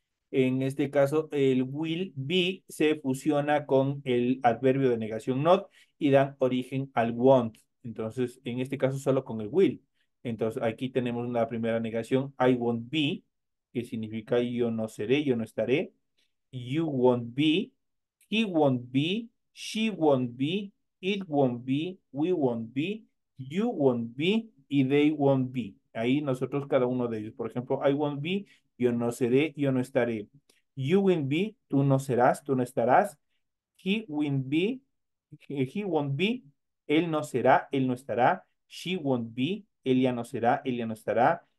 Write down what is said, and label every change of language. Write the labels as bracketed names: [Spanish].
[Spanish] En este caso, el will be se fusiona con el adverbio de negación not y dan origen al won't. Entonces, en este caso, solo con el will. Entonces, aquí tenemos la primera negación, [English] I won't be, [Spanish] que significa yo no seré, yo no estaré. [English] You won't be, he won't be, she won't be, it won't be, we won't be, you won't be [Spanish] y [English] they won't be. [Spanish] Ahí nosotros, cada uno de ellos, por ejemplo, [English] I won't be. [Spanish] Yo no seré, yo no estaré. [English] You will be, [Spanish] tú no serás, tú no estarás. [English] He will be, he won't be. [Spanish] Él no será, él no estará. [English] She won't be, [Spanish] él ya no será, él ya no estará.